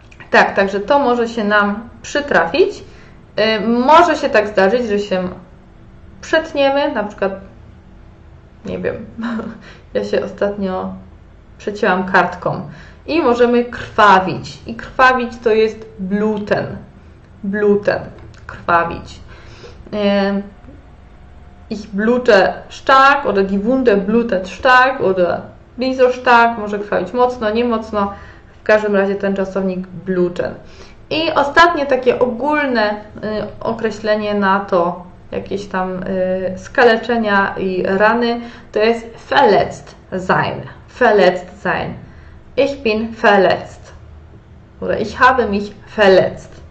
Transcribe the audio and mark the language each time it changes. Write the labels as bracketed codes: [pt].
[pl] Tak, także to może się nam przytrafić. Może się tak zdarzyć, że się przetniemy, na przykład, nie wiem, ja się ostatnio przecięłam kartką i możemy krwawić. I krwawić to jest bluten. Bluten, krwawić. [de] Ich blute stark oder die Wunde blutet stark oder nicht so stark, [pl] może krwawić mocno, nie mocno. W każdym razie ten czasownik bluten. I ostatnie takie ogólne określenie na to jakieś tam skaleczenia i rany to jest verletzt sein. [de] Verletzt sein. Ich bin verletzt. Oder ich habe mich verletzt.